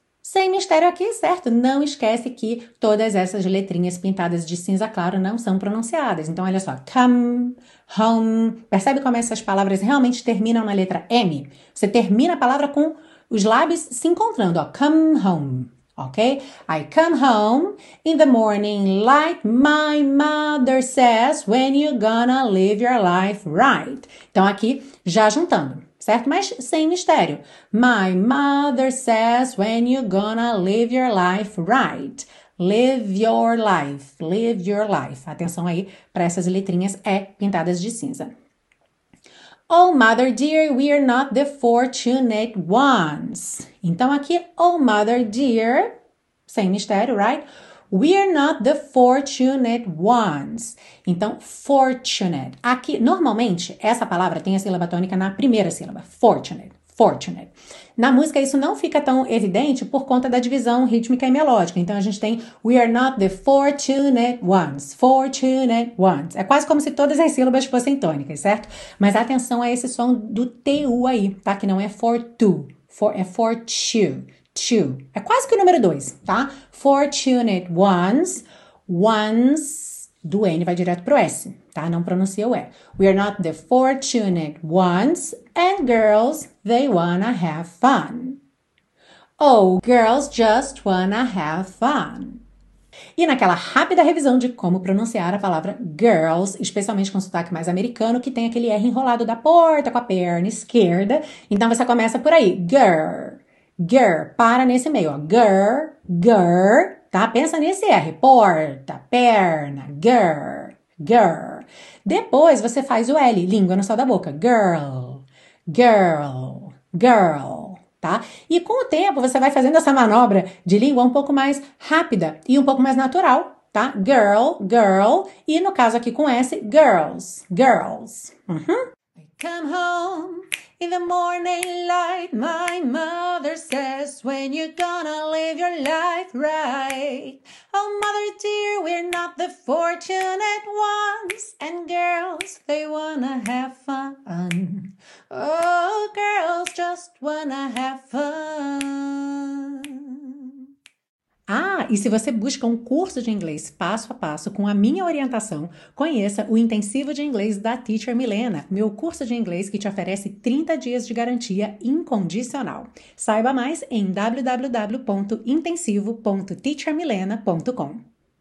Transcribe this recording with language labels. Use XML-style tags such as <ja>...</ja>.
<pt>Sem mistério aqui, certo? Não esquece que todas essas letrinhas pintadas de cinza claro não são pronunciadas. Então, olha só.</pt> <en>Come, home.</en> <pt>Percebe como essas palavras realmente terminam na letra M? Você termina a palavra com os lábios se encontrando, ó.</pt> <en>Come home, ok? I come home in the morning light. My mother says, when you gonna live your life right?</en> <pt>Então, aqui, já juntando. Certo? Mas sem mistério.</pt> <en>My mother says, when you gonna live your life right? Live your life. Live your life.</en> <pt>Atenção aí para essas letrinhas E pintadas de cinza.</pt> <en>Oh, mother dear, we are not the fortunate ones.</en> <pt>Então aqui,</pt> <en>oh, mother dear,</en> <pt>sem mistério,</pt> <en>right? We are not the fortunate ones.</en> <pt>Então, fortunate. Aqui, normalmente, essa palavra tem a sílaba tônica na primeira sílaba.</pt> <en>Fortunate, fortunate.</en> <pt>Na música, isso não fica tão evidente por conta da divisão rítmica e melódica. Então, a gente tem</pt> <en>we are not the fortunate ones.</en> <pt>Fortunate ones. É quase como se todas as sílabas fossem tônicas, certo? Mas atenção a esse som do TU aí, tá? Que não é for tu. For, é for tu. Two. É quase que o número 2, tá?</pt> <en>Fortunate ones. Ones.</en> <pt>Do N vai direto pro S, tá? Não pronuncia o E.</pt> <en>We are not the fortunate ones. And girls, they wanna have fun. Oh, girls just wanna have fun.</en> <pt>E naquela rápida revisão de como pronunciar a palavra girls, especialmente com sotaque mais americano, que tem aquele R enrolado da porta com a perna esquerda. Então você começa por aí. Girl. Girl, para nesse meio, ó. Girl, girl, tá? Pensa nesse R, porta, perna, girl, girl. Depois você faz o L, língua no céu da boca, girl, girl, girl, tá? E com o tempo você vai fazendo essa manobra de língua um pouco mais rápida e um pouco mais natural, tá? Girl, girl, e no caso aqui com S, girls, girls. Uhum.</pt> <en>Come home. In the morning light, my mother says, when you gonna live your life right? Oh, mother dear, we're not the fortunate ones. And girls, they wanna have fun. Oh, girls just wanna have fun.</en> <pt>Ah, e se você busca um curso de inglês passo a passo com a minha orientação, conheça o Intensivo de Inglês da Teacher Milena, meu curso de inglês que te oferece 30 dias de garantia incondicional. Saiba mais em www.intensivo.teachermilena.com.</pt>